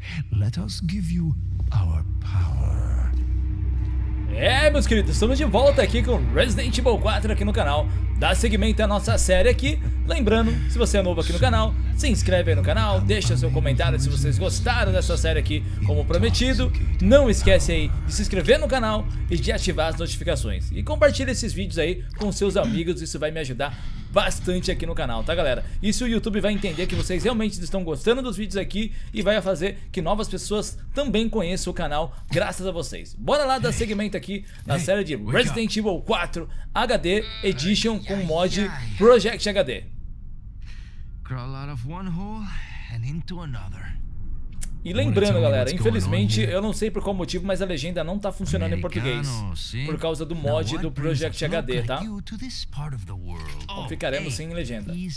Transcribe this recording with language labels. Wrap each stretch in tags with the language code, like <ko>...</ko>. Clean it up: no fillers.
<en>Let us give you our power.</en> <pt>É, meus queridos, estamos de volta aqui com Resident Evil 4 aqui no canal. Dá seguimento à nossa série aqui. Lembrando, se você é novo aqui no canal, se inscreve aí no canal, deixa seu comentário se vocês gostaram dessa série aqui, como prometido. Não esquece aí de se inscrever no canal e de ativar as notificações. E compartilha esses vídeos aí com seus amigos, isso vai me ajudar bastante aqui no canal, tá galera? Isso o YouTube vai entender que vocês realmente estão gostando dos vídeos aqui e vai fazer que novas pessoas também conheçam o canal graças a vocês. Bora lá dar seguimento aqui na série de Resident Evil 4 HD Edition com mod Project HD.</pt> <en>Crawl out of one hole and into another.</en> <pt>E lembrando galera, infelizmente eu não sei por qual motivo, mas a legenda não tá funcionando em português por causa do mod do Project HD, tá? Então ficaremos sem legenda.</pt>